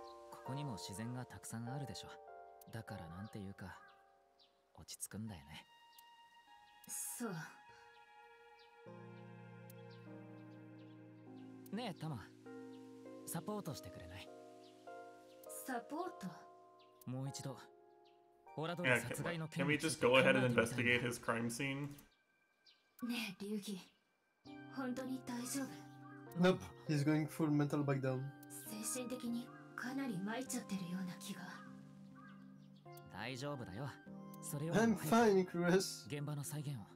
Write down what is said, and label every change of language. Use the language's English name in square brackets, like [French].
[Japanese] ここにも自然がたくさんあるでしょ。だからなんていうか落ち着くんだよね。そうねえ、タマ、サポートしてくれない？サポート、もう一度オラドリ殺害の件について。 [English] Can we just go ahead and investigate his crime scene? [Japanese] ねえ、リュウギ、本当に大丈夫？ [English] Nope, he's going full mental breakdown. [Japanese] 精神的にかなり参っちゃってるような気が。大丈夫だよ。それは [English] I'm fine, Chris. [Japanese] 現場の再現を。